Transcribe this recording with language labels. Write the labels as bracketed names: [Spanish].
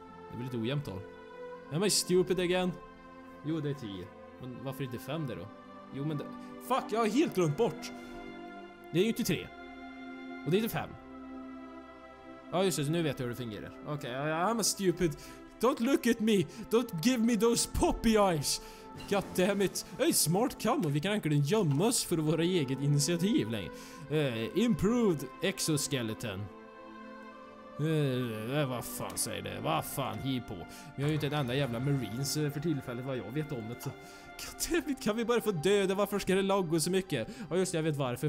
[Swedish] Det blir lite ojämnt tal. [English] Am I stupid again? [Swedish] Jo, det är 10. Men varför inte 5 då? Jo, men det... Fuck, jag har helt glömt bort. Det är ju inte 3. Och det är inte 5. Ja, just det, nu vet jag hur det fungerar. [English] Okej, okay, I'm a stupid. Don't look at me. Don't give me those poppy eyes. God damn it. Hey, smart camo. [Swedish] Vi kan egentligen gömma oss för våra eget initiativ längre. Improved exoskeleton. Vad fan säger det? Vad fan, hi på. Vi har ju inte en enda jävla marines för tillfället vad jag vet om det. [English] God damn it, [Swedish] kan vi bara få döda? Varför ska det lagga så mycket? Ja just det, jag vet varför.